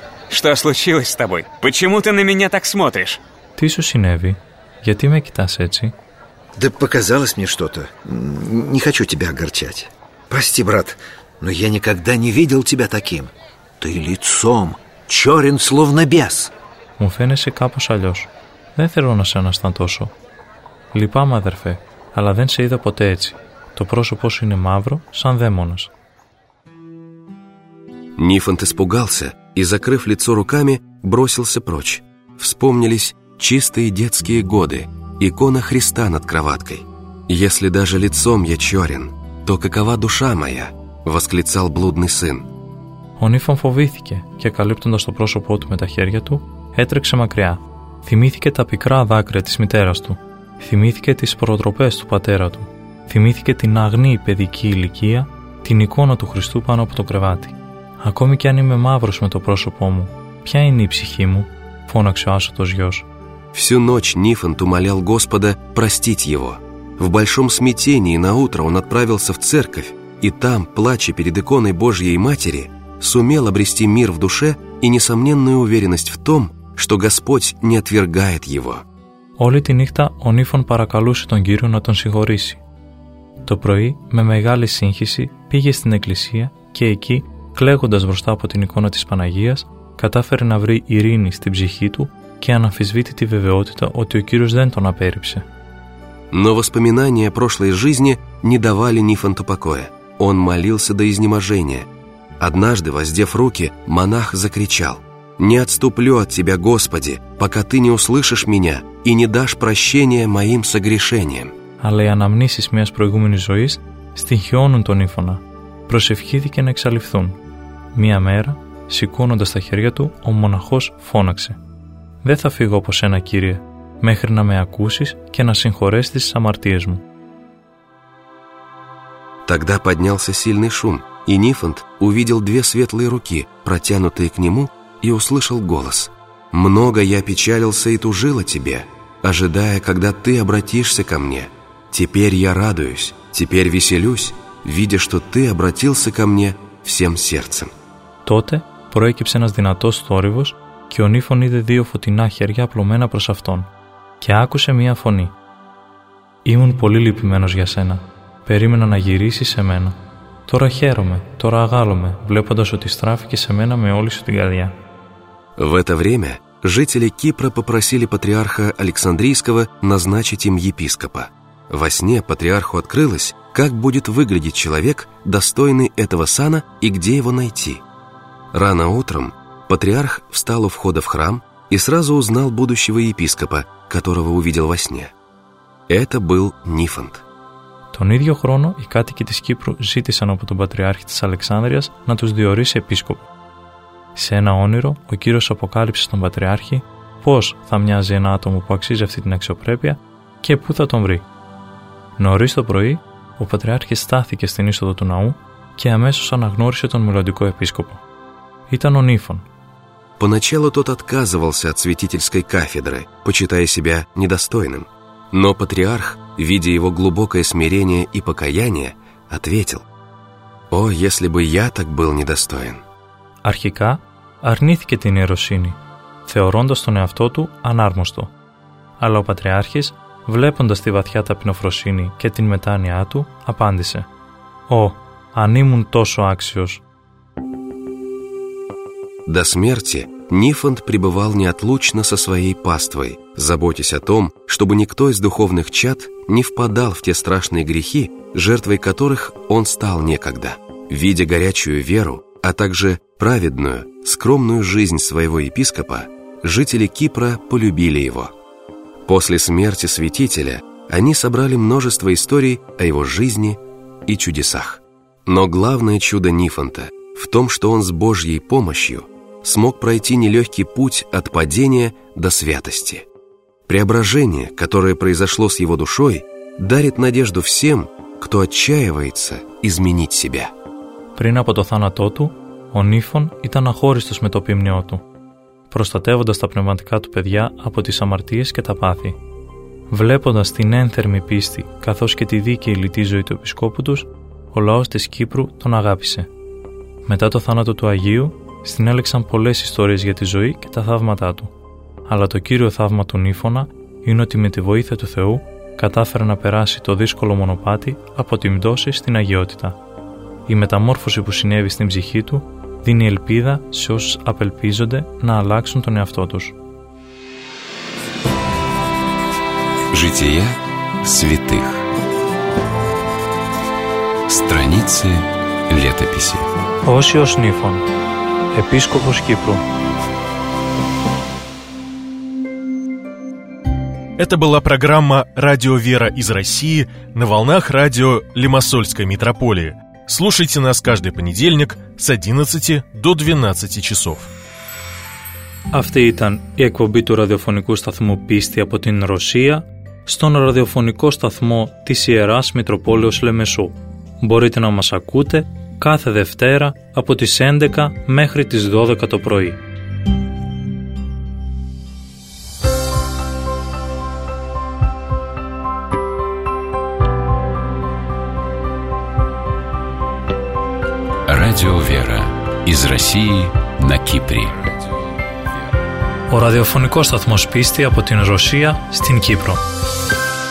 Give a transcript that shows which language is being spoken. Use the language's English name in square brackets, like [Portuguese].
[Russian] Что случилось с тобой? Почему ты на меня так смотришь? [Greek] Τι σου συνέβη? Γιατί με κοιτάς έτσι? [Russian] Да показалось мне что-то. Не хочу тебя огорчать. Прости, брат, но я никогда не видел тебя таким. Ты лицом чёрен, словно бес. [Greek] Μου φαίνεσαι κάπως αλλιώς. Δεν θέλω να σε αναστατώσω. Λυπάμαι, αδερφέ, αλλά δεν σε είδα ποτέ έτσι. Το πρόσωπό σου είναι μαύρο, σαν δαίμονας. [Russian] Нифонт испугался и, закрыв лицо руками, бросился прочь. Вспомнились чистые детские годы, икона Христа над кроваткой. «Если даже лицом я черен, то какова душа моя?» – восклицал блудный сын. [Greek] Ο Нифон φοβήθηκε και, καλύπτοντας το πρόσωπό του με τα χέρια του, έτρεξε μακριά. Θυμήθηκε τα πικρά δάκρυα της μητέρας του. Θυμήθηκε τις προτροπές του πατέρα του. Θυμήθηκε την αγνή παιδική ηλικία, την εικόνα του Χριστού πάνω από το κρεβάτι. «Ακόμη κι αν είμαι μαύρος με το πρόσωπό μου, ποια είναι η ψυχή μου?» φώναξε ο άσωτος γιος. [Russian] Всю ночь Нифон умолял Господа простить его. В большом смятении на утро он отправился в церковь, и там, плача перед иконой Божьей Матери, сумел обрести мир в душе и несомненную уверенность в том, что Господь не отвергает его. [Greek] Όλη τη νύχτα ο Νίφων παρακαλούσε τον Κύριο να τον συγχωρήσει. Το πρωί, με μεγάλη σύγχυση, πήγε στην εκκλησία και εκεί, κλαίγοντας μπροστά από την εικόνα της Παναγίας, κατάφερε να βρει ειρήνη στην ψυχή του και αναμφισβήτητη βεβαιότητα ότι ο Κύριος δεν τον απέρριψε. [Russian] Но воспоминания прошлой жизни не давали Нифонту покоя. Он молился до изнеможения. Однажды, воздев руки, монах закричал: «Не отступлю от тебя, Господи, пока ты не услышишь меня и не дашь прощения моим согрешениям». [Greek] Αλλά οι αναμνήσεις μιας προηγούμενης ζωής στοιχειώνουν τον Νίφωνα. Προσευχήθηκε να εξαλειφθούν. Μία μέρα, σηκώνοντας τα χέρια του, ο μοναχός φώναξε: «Δεν θα φύγω από σένα, Κύριε, μέχρι να με ακούσεις και να συγχωρέσεις τις αμαρτίες μου». [Russian] Тогда поднялся сильный шум, и Нифонт увидел две светлые руки, протянутые к нему, и услышал голос: «Много я печалился и тужил о тебе, ожидая, когда ты обратишься ко мне. Теперь я радуюсь, теперь веселюсь, видя, что ты обратился ко мне всем сердцем». [Greek] Τότε προέκυψε ένας δυνατός θόρυβος και ο Νίφων είδε δύο φωτεινά χέρια απλωμένα προς αυτόν και άκουσε μία φωνή: «Ήμουν πολύ λυπημένος για σένα. Περίμενα να γυρίσεις σε μένα. Τώρα χαίρομαι, τώρα αγάλομαι, βλέποντας ότι στράφηκε σε μένα με όλη σου την καρδιά». [Russian] В это время жители Кипра попросили патриарха Александрийского назначить им епископа. Во сне патриарху открылось, как будет выглядеть человек, достойный этого сана и где его найти. Рано утром патриарх встал у входа в храм и сразу узнал будущего епископа, которого увидел во сне. Это был Нифонт. [Greek] Τον ίδιο χρόνο οι κάτοικοι της Κύπρου ζήτησαν από τον Πατριάρχη της Αλεξάνδρειας να τους διορίσει επίσκοπο. Σε ένα όνειρο ο Κύριος αποκάλυψε στον Πατριάρχη πώς θα μοιάζει ένα άτομο που αξίζει αυτή την αξιοπρέπεια και πού θα τον βρει. Νωρίς το πρωί ο Πατριάρχης στάθηκε στην είσοδο του ναού και αμέσως αναγνώρισε τον μελλοντικό επίσκοπο. Ήταν ο Νίφων. [Russian] Поначалу тот отказывался от святительской кафедры, почитая себя недостойным. Но патриарх, видя его глубокое смирение и покаяние, ответил: «О, если бы я так был недостоин». [Greek] Αρχικά αρνήθηκε την ιεροσύνη, θεωρώντας τον εαυτό του ανάρμοστο. Αλλά ο Πατριάρχης, βλέποντας τη βαθιά ταπεινοφροσύνη και την μετάνοιά του, απάντησε: «Ω, αν ήμουν τόσο άξιος». [Russian] До смерти Нифонт пребывал неотлучно со своей паствой, заботясь о том, чтобы никто из духовных чад не впадал в те страшные грехи, жертвой которых он стал некогда. Видя горячую веру, а также праведную, скромную жизнь своего епископа, жители Кипра полюбили его. После смерти святителя они собрали множество историй о его жизни и чудесах. Но главное чудо Нифонта в том, что он с Божьей помощью смог пройти нелегкий путь от падения до святости. Преображение, которое произошло с его душой, дарит надежду всем, кто отчаивается изменить себя. [Greek] Πριν από το θάνατό του, ο Νίφων ήταν αχώριστος με το ποιμνιό του, προστατεύοντας τα πνευματικά του παιδιά από τις αμαρτίες και τα πάθη. Βλέποντας την ένθερμη πίστη, καθώς και τη δίκαιη λυτή ζωή του επισκόπου τους, ο λαός της Κύπρου τον αγάπησε. Μετά το θάνατο του Αγίου, συνέλεξαν πολλές ιστορίες για τη ζωή και τα θαύματά του. Αλλά το κύριο θαύμα του Νίφωνα είναι ότι με τη βοήθεια του Θεού κατάφερε να περάσει το δύσκολο μονοπάτι από την πτώση στην αγιότητα. Η μεταμόρφωση που συνέβη στην ψυχή του δίνει ελπίδα σε όσους απελπίζονται να αλλάξουν τον εαυτό τους. [Russian] Жития святых. Страницы летописи. [Greek] Όσιος Νίφων, επίσκοπος Κύπρου. [Russian] Это была программа «Радио Вера из России» на волнах радио Лимассольской митрополии. Слушайте нас каждый понедельник с 11 до 12 часов. [Greek] Αυτή ήταν η εκπομπή του ραδιοφωνικού σταθμού «Πίστη» από την Ρωσία στον ραδιοφωνικό σταθμό της Ιεράς Μητροπόλεως Λεμεσού. Μπορείτε να μας ακούτε κάθε Δευτέρα από τις 11 μέχρι τις 12 το πρωί. [Russian] Радио Вера из России на Кипре. [Greek] Ο ραδιοφωνικός σταθμός Πίστη από την Ρωσία στην Κύπρο.